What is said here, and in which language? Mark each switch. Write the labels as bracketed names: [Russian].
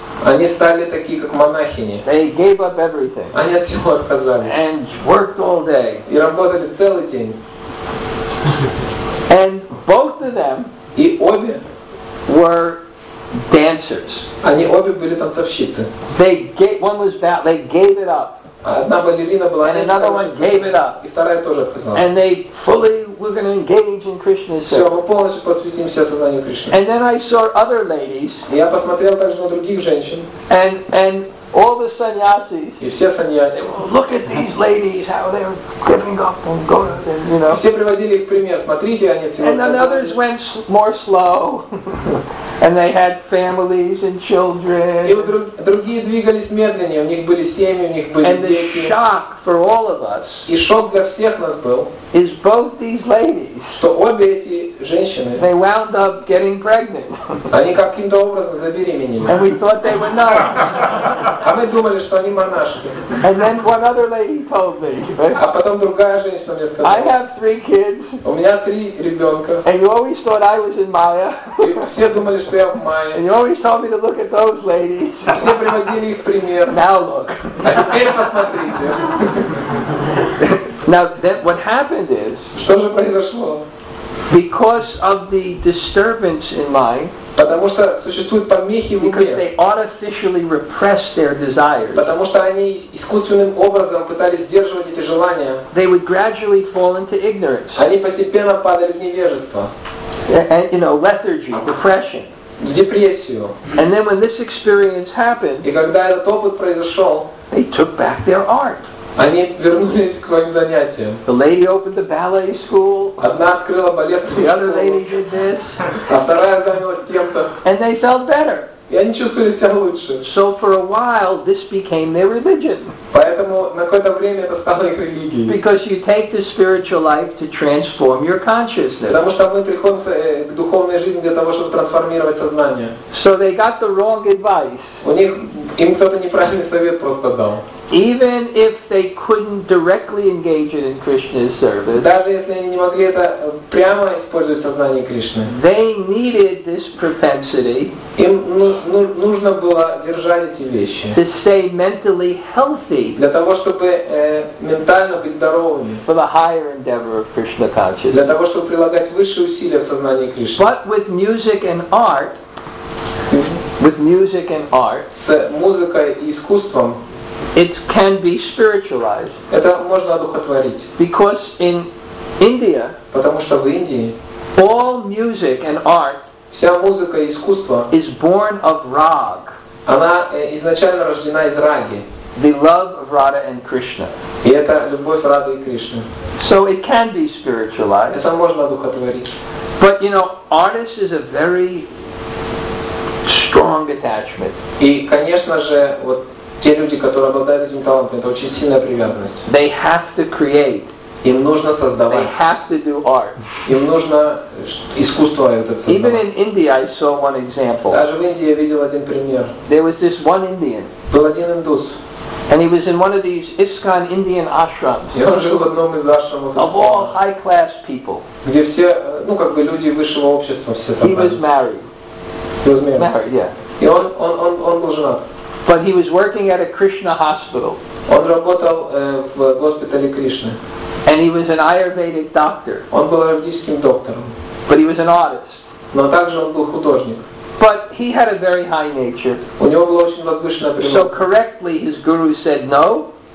[Russian] Они стали такие, как монахини. [English] They gave up everything. [Russian] Они от всего отказались. [English] And worked all day. [Russian] И работали целый день. [English] And both of them [Russian] и обе [English] were dancers. [Russian] Они обе были танцовщицы. [English] They gave, one was bad, they gave it up. [Russian] Одна балерина была, [English] and another one gave it up. [Russian] И вторая тоже отказалась. [English] And they fully were going to engage in Krishna's service. [Russian] Все, мы полностью посвятимся сознанию Кришны. [English] And then I saw other ladies. [Russian] И я посмотрел также на других женщин. [English] And all the sannyasis. [Russian] И все саньяси. [English] Look at these ladies, how they're giving up and going, you know. [Russian] Все приводили их пример. Смотрите, они сегодня. [English] And then others went more slow. And they had families and children. [Russian] И другие двигались медленнее. У них были семьи, у них были [English] and [Russian] дети. [English] And the shock for all of us. [Russian] И шок для всех нас был. [English] Is both these ladies. [Russian] Что обе эти женщины. [English] They wound up getting pregnant. [Russian] Они каким-то образом забеременели. [English] And we thought they were nuns. [Russian] А мы думали, что они монашки. [English] And then one other lady told me. [Russian] А потом другая женщина мне сказала. [English] I have three kids. [Russian] У меня три ребенка. [English] And you always thought I was in Maya. [Russian] Все думали, что я в Майе. [English] And you always told me to look at those ladies. [Russian] А все приводили их пример. [English] Now look. [Russian] А теперь посмотрите. [English] Now that what happened is, [Russian] что же произошло? [English] Because of the disturbance in mind, [Russian] потому что существуют помехи в уме, [English] because they artificially repress their desires, [Russian] потому что они искусственным образом пытались сдерживать эти желания, [English] they would gradually fall into ignorance. [Russian] Они постепенно падали в невежество. [English] And, you know, lethargy, depression. [Russian] В депрессию. [English] And then when this experience happened, [Russian] и когда этот опыт произошел, [English] they took back their art. [Russian] Они вернулись к своим занятиям. [English] The lady opened the ballet school. [Russian] Одна открыла балетную школу. [English] The other lady did this. [Russian] А вторая занялась тем-то. [English] And they felt better. [Russian] И они чувствовали себя лучше. [English] So for a while this became their religion. [Russian] Поэтому на какое-то время это стало их религией. [English] Because you take the spiritual life to transform your consciousness. [Russian] Потому что мы приходим к духовной жизни для того, чтобы трансформировать сознание. [English] So they got the wrong advice. [Russian] У них им кто-то неправильный совет просто дал. [English] Even if they couldn't directly engage it in Krishna's service, [Russian] даже если они не могли это прямо использовать в сознании Кришны, [English] they needed this propensity. [Russian] Им нужно было держать эти вещи. [English] To stay mentally healthy. [Russian] Для того чтобы ментально быть здоровыми. [English] For the higher endeavor of Krishna consciousness. [Russian] Для того чтобы прилагать высшие усилия в сознании Кришны. [English] But with music and art, with music and art. [Russian] С музыкой и искусством. [English] It can be spiritualized. [Russian] Это можно одухотворить. [English] Because in India, [Russian] потому что в Индии, [English] all music and art, [Russian] вся музыка и искусство, [English] is born of rag. [Russian] Она изначально рождена из раги. [English] The love of Radha and Krishna. [Russian] И это любовь Рады и Кришны. [English] So it can be spiritualized. [Russian] Это можно одухотворить. [English] But you know, artist is a very strong attachment. [Russian] И конечно же вот. Те люди, которые обладают этим талантом, это очень сильная привязанность. [English] They have to create. [Russian] Им нужно создавать. [English] They have to do art. [Russian] Им нужно искусство это создавать. [English] Even in India, I saw one example. [Russian] Даже в Индии я видел один пример. [English] There was this one Indian. [Russian] Был один индус. [English] And he was in one of these ISKCON Indian ashrams. [Russian] И он жил в одном из ашрамов. [English] Of all high class people. [Russian] Где все, ну как бы люди высшего общества все собрались. [English] He was married. He was married. Married, yeah. [Russian] И он был женат. [English] But he was working at a Krishna hospital. [Russian] Он работал в госпитале Кришны. [English] And he was an Ayurvedic doctor. [Russian] Он был аюрведическим доктором. [English] But he was an artist. [Russian] Но также он был художник. [English] But he had a very high nature. [Russian] У него была очень возвышенная природа. [English] So correctly his guru said no.